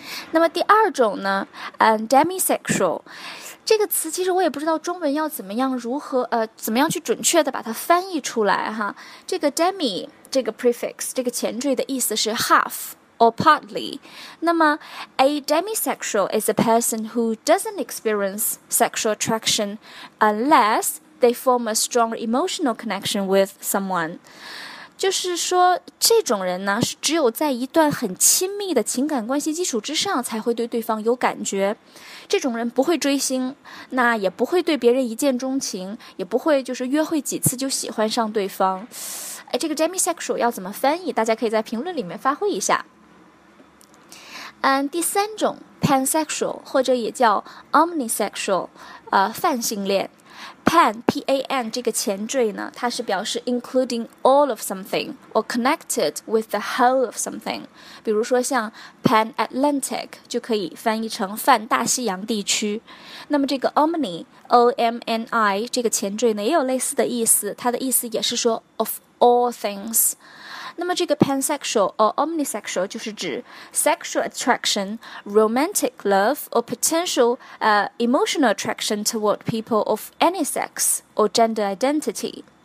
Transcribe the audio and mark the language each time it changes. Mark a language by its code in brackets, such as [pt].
[zh] 那么第二种呢 demisexual， 这个词其实我也不知道中文要怎么样怎么样去准确的把它翻译出来哈。这个 demi 这个 prefix 这个前缀的意思是 [en] half or partly。那么 a demisexual is a person who doesn't experience sexual attraction unlessThey form a strong emotional connection with someone。 [zh] 就是说这种人呢，是只有在一段很亲密的情感关系基础之上才会对对方有感觉。这种人不会追星，那也不会对别人一见钟情，也不会就是约会几次就喜欢上对方。这个 demisexual 要怎么翻译，大家可以在评论里面发挥一下。第三种 pansexual 或者也叫 omnisexual， 泛性恋。 [en] Pan, P-A-N, [zh] 这个前缀呢，它是表示 [en] including all of something or connected with the whole of something. [zh] 比如说像 Pan-Atlantic 就可以翻译成泛大西洋地区。那么这个 Omni, O-M-N-I, 这个前缀呢也有类似的意思，它的意思也是说 [en] of all things。 [zh] 那么这个 [en] pansexual or omnisexual [zh] 就是指 [en] sexual attraction, romantic love or potential, emotional attraction toward people of any sex or gender identity.